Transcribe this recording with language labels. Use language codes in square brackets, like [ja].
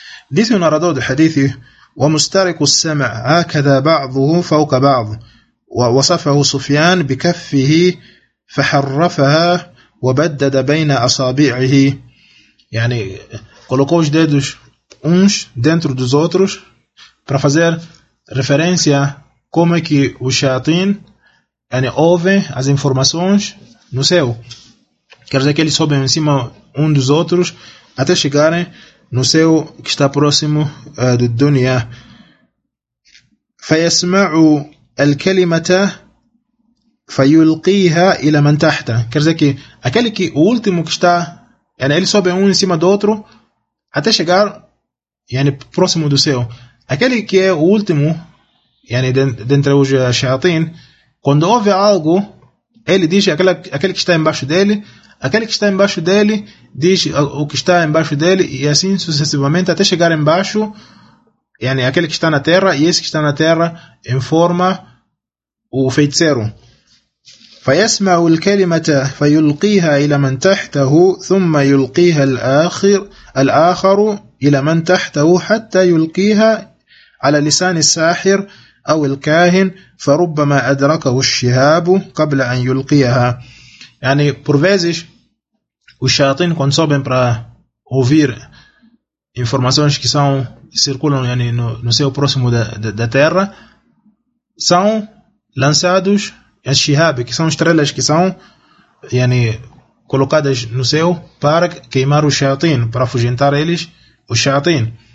[pt] Disse o narrador do hadith, [ar] وَمُسْتَرِكُ السَّمَعَ هَكَذَا بَعْضُهُ فَوْكَ بَعْضُ وَوَصَفَهُ سُفْيَانَ بِكَفِّهِ فَحَرَّفَهَا وَبَدَّدَ بَيْنَ أَصَابِعِهِ, [pt] yani, colocou os dedos uns dentro dos outros para fazer referência como é que os shayatin, yani, ouvem as informações no céu. Quer dizer que eles sobem em cima um dos outros até chegarem no céu que está próximo do dunya. فَيَسْمَعُ [ar] الكلمه فيلقيها الى من تحته. [pt] Quer dizer que aquele que o último que está, yani ele sobe um em cima do outro até chegar yani próximo do céu. Aquele que é o último yani dentre os shayatin, quando ouve algo, ele diz aquele que está embaixo dele, aquele que está embaixo dele diz o que está embaixo dele, e assim sucessivamente até chegar embaixo, yani aquele que está na terra, e esse que está na terra informa o feiticeiro. [ar] فيسمع الكلمة فيلقيها إلى من تحته ثم يلقيها الآخر إلى من تحته حتى يلقيها على لسان الساحر أو الكاهن فربما أدركه الشهاب قبل أن يلقيها. [pt] يعني por vezes os shayatin quando sobem para ouvir informações que são circulam yani no seu próximo da terra são lançados as shihab, que são estrelas que são yani colocadas no céu para queimar os shayatin, para afugentar eles, os shayatin.